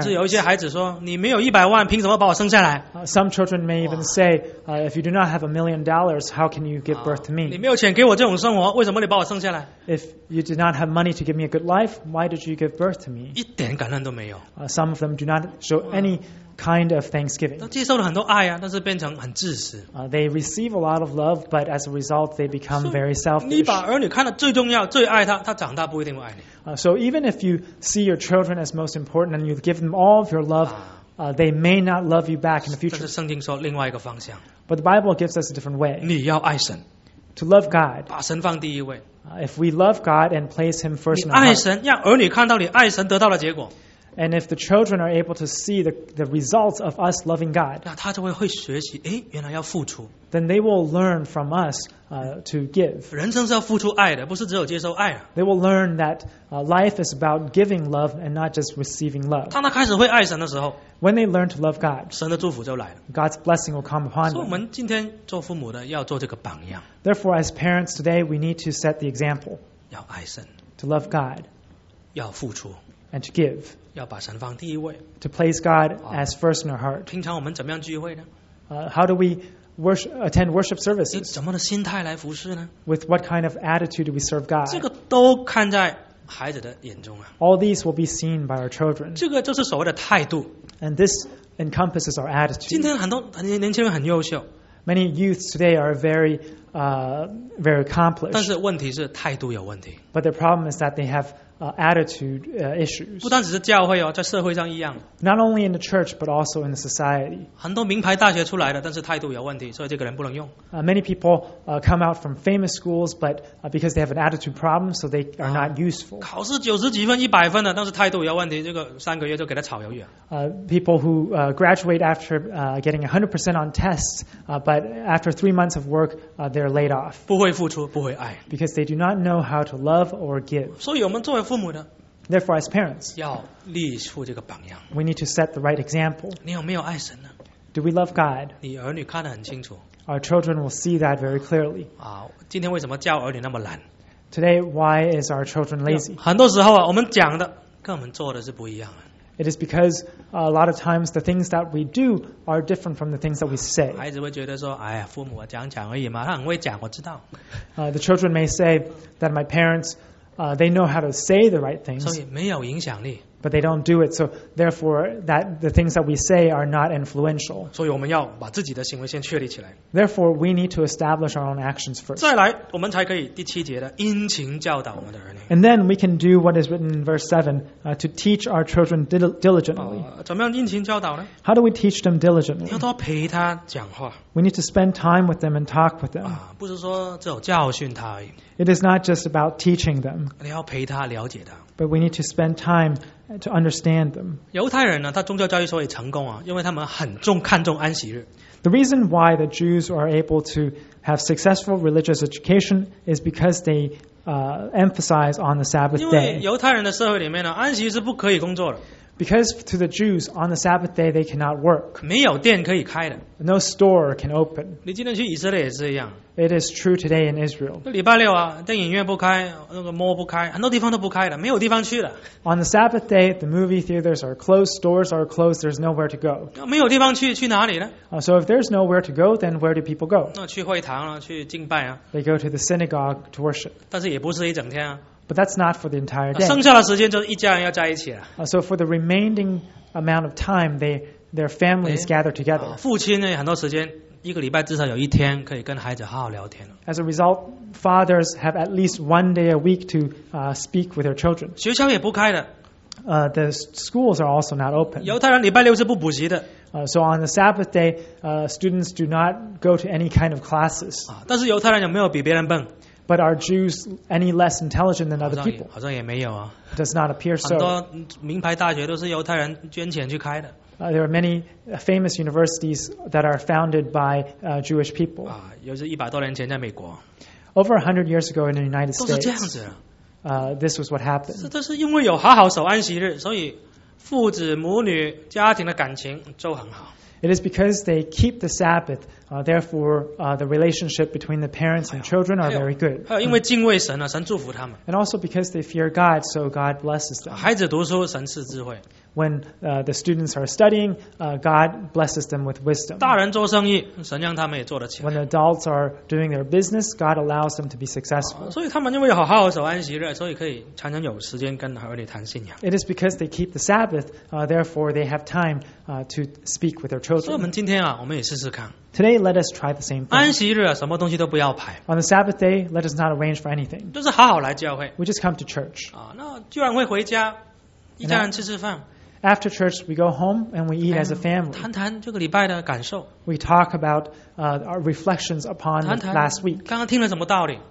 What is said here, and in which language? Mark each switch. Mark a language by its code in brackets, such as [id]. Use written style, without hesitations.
[zh] 甚至有一些孩子说，你没有一百万，凭什么把我生下来？ [en] Some children may even say, if you do not have $1 million, how can you give birth to me? [zh] 你没有钱给我这种生活，为什么你把我生下来？ [en] If you do not have money to give me a good life, why did you give birth to me? [zh] 一点感恩都没有。 [en] Some of them do not show any kind of thanksgiving. [zh] 接受了很多爱啊，但是变成很自私。 [en] They receive a lot of love, but as a result, they become very selfish. [zh] 你把儿女看得最重要，最爱他，他长大不一定会爱你。 [en] So even if you see your children as most important and you give them all of your love, they may not love you back in the future. [zh] 但是圣经说另外一个方向。 [en] But the Bible gives us a different way. [zh] 你要爱神。 [en] To love God. [zh] 把神放第一位。 [en] If we love God and place Him first in our heart. [zh] 你爱神，让儿女看到你爱神得到的结果。 [en] And if the children are able to see the results of us loving God, [zh] 那他就会学习，诶，原来要付出。 [en] Then they will learn from us to give. [zh] 人生是要付出爱的，不是只有接受爱啊。 [en] They will learn that life is about giving love and not just receiving love. [zh] 当他开始会爱神的时候， [en] When they learn to love God, [zh] 神的祝福就来了。 [en] God's blessing will come upon them. [zh] 所以我们今天做父母的要做这个榜样。 [en] Therefore, as parents today, we need to set the example. [zh] 要爱神。 [en] To love God. [zh] 要付出。 [en] And to give. [zh] 要把神放第一位。 [en] To place God as first in our heart. [zh] 平常我们怎么样聚会呢？ [en] How do we attend worship services? [zh] 以怎么的心态来服事呢？ [en] With what kind of attitude do we serve God? [zh] 这个都看在孩子的眼中啊。 [en] All these will be seen by our children. [zh] 这个就是所谓的态度。 [en] And this encompasses our attitude. [zh] 今天很多年轻人很优秀。 [en] Many youths today are very, very accomplished. [zh] 但是问题是态度有问题。 [en] But the problem is that they have attitude issues. [zh] 不单只是教会哦，在社会上一样。 [en] Not only in the church, but also in the society. [zh] 很多名牌大学出来的，但是态度有问题，所以这个人不能用。 [en] Many people come out from famous schools, but because they have an attitude problem, so they are not useful. [zh] 考试九十几分、一百分的，但是态度有问题，这个三个月就给他炒鱿鱼。 [en] People who graduate after getting 100% on tests, but after 3 months of work, they're laid off. [zh] 不会付出，不会爱。 [en] Because they do not know how to love or give. [zh] 所以我们作为父母的 [en] Therefore, as parents, [zh] 要立出这个榜样。 [en] We need to set the right example. [zh] 你有没有爱神呢？ [en] Do we love God? [zh] 你儿女看得很清楚。 [en] Our children will see that very clearly. [zh] 今天为什么教儿女那么懒？ [en] Today, why is our children lazy? [zh] 很多时候啊，我们讲的跟我们做的是不一样的。 [en] It is because a lot of times the things that we do are different from the things that we say. [zh] 孩子会觉得说，哎呀，父母讲讲而已嘛，他很会讲，我知道。 [en] The children may say that my parents, they know how to say the right things, [zh] 所以没有影响力。 [en] But they don't do it, so therefore that the things that we say are not influential. [zh] 所以我们要把自己的行为先确立起来。 [en] Therefore, we need to establish our own actions first. [zh] 再来，我们才可以第七节的殷勤教导我们的儿女。 [en] And then we can do what is written in verse 7, to teach our children diligently. [zh] 怎么样殷勤教导呢？ [en] How do we teach them diligently? [zh] 要多陪他讲话。 [en] We need to spend time with them and talk with them. [zh] 不是说只有教训他而已。 [en] It is not just about teaching them. [zh] 你要陪他了解他。 [en] But we need to spend time to understand them. [zh] 犹太人呢，他宗教教育所以成功啊，因为他们很重看重安息日。 [en] The reason why the Jews are able to have successful religious education is because they emphasize on the Sabbath day. [zh] 因为犹太人的社会里面呢，安息是不可以工作的。 [en] Because to the Jews, on the Sabbath day, they cannot work. [zh] 没有店可以开的。 [en] No store can open. [zh] 你今天去以色列也是一样。 [en] It is true today in Israel. [zh] 礼拜六啊，电影院不开，那个 mall 不开，很多地方都不开的，没有地方去的。 [en] On the Sabbath day, the movie theaters are closed, stores are closed, there's nowhere to go. [zh] 没有地方去，去哪里呢？ [en] So if there's nowhere to go, then where do people go? [zh] 那去会堂啊，去敬拜啊。 [en] They go to the synagogue to worship. [zh] 但是也不是一整天啊。 [en] But that's not for the entire day. [zh] 剩下的时间就是一家人要在一起了。 [en] So for the remaining amount of time, their families gather together. [zh] 父亲呢，很多时间，一个礼拜至少有一天可以跟孩子好好聊天。 [en] As a result, fathers have at least one day a week to speak with their children. [zh] 学校也不开的。 [en] The schools are also not open. [zh] 犹太人礼拜六是不补习的。 [en] So on the Sabbath day, students do not go to any kind of classes. [zh] 但是犹太人有没有比别人笨？ [en] But are Jews any less intelligent than other people? [zh] 好像也没有啊。 [en] Does not appear so. [zh] 很多名牌大学都是犹太人捐钱去开的。 [en] There are many famous universities that are founded by Jewish people. [zh] 又是一百多年前在美国。 [en] Over 100 years ago in the United States. [zh] 都是这样子。 [en] This was what happened. [zh] 这都是因为有好好守安息日，所以父子母女家庭的感情就很好。 [en] It is because they keep the Sabbath, therefore the relationship between the parents and children are very good. [zh] 因为敬畏神啊, 神祝福他们。 [en] And also because they fear God, so God blesses them. [zh] 孩子读书, 神赐智慧。 [en] When the students are studying, God blesses them with wisdom. [zh] 大人做生意, 神让他们也做得起来。 [en] When the adults are doing their business, God allows them to be successful. [zh] 所以他们因为好好守安息日, 所以可以常常有时间跟儿女谈信仰。 [en] It is because they keep the Sabbath, therefore they have time to speak with their children. [zh] 所以我们今天啊, 我们也试试看。 [en] Today, let us try the same thing. [zh] 安息日啊, 什么东西都不要排。 [en] On the Sabbath day, let us not arrange for anything. [zh] 就是好好来教会。 [en] We just come to church. [zh] 啊, 那居然会回家。一家人吃吃饭, [en] after church, we go home and we eat as a family. [zh] 谈谈这个礼拜的感受, [en] we talk about our reflections upon last week. [zh] 刚刚听了什么道理,